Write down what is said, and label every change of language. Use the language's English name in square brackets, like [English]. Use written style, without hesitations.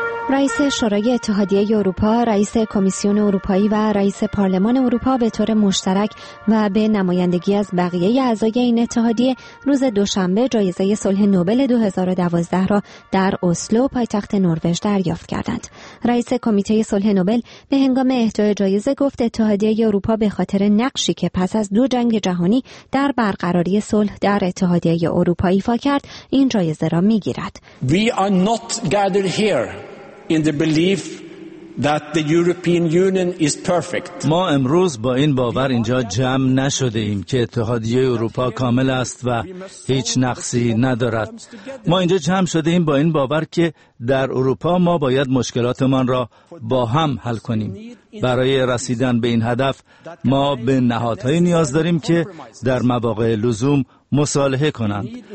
[Persian] رئیس شورای اتحادیه اروپا، رئیس کمیسیون اروپایی و رئیس پارلمان اروپا به طور مشترک و به نمایندگی از بقیه اعضای این اتحادیه روز دوشنبه جایزه صلح نوبل 2012 را در اسلو، پایتخت نروژ، دریافت کردند. رئیس کمیته صلح نوبل به هنگام اهدای جایزه گفت اتحادیه اروپا به خاطر نقشی که پس از 2 جنگ جهانی در برقراری صلح در اتحادیه اروپا ایفا کرد، این جایزه را می‌گیرد. [English] We are not gathered here in the belief that the European Union is perfect. [Persian] ما امروز با این باور اینجا جمع نشده ایم که اتحادیه اروپا کامل است و هیچ نقصی ندارد. ما اینجا جمع شده ایم با این باور که در اروپا ما باید مشکلاتمان را با هم حل کنیم. برای رسیدن به این هدف ما به نهادهای نیاز داریم که در مواقع لزوم مصالحه کنند.